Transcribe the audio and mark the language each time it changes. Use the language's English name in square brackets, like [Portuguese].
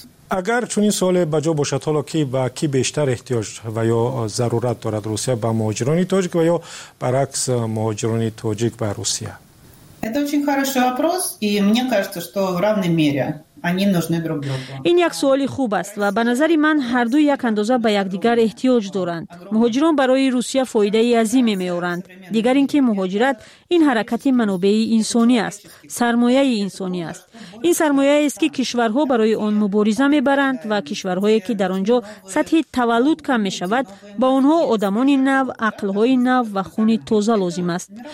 [Persian] اگر چون این سوال بجا باشد، حالا که با کی بیشتر احتیاج و یا ضرورت دارد، روسیه با مهاجران تاجیک و یا برعکس مهاجران تاجیک با روسیه؟ [Russian] Это очень хороший вопрос, и мне кажется, что в равной мере они нужны друг другу. [Persian] این یک سوال خوب است و به نظر من هر دو یک اندازه به یکدیگر احتیاج دارند. مهاجران برای روسیه فایده عظیمی می آورند. دیگر اینکه مهاجرت این حرکت منابع انسانی است، سرمایه انسانی است. این سرمایه است که کشورها برای آن مبارزه می برند و کشورهایی که در آنجا سطح تولد کم می شود، با آنها آدمان نو، عقلهای نو و خون تازه لازم است.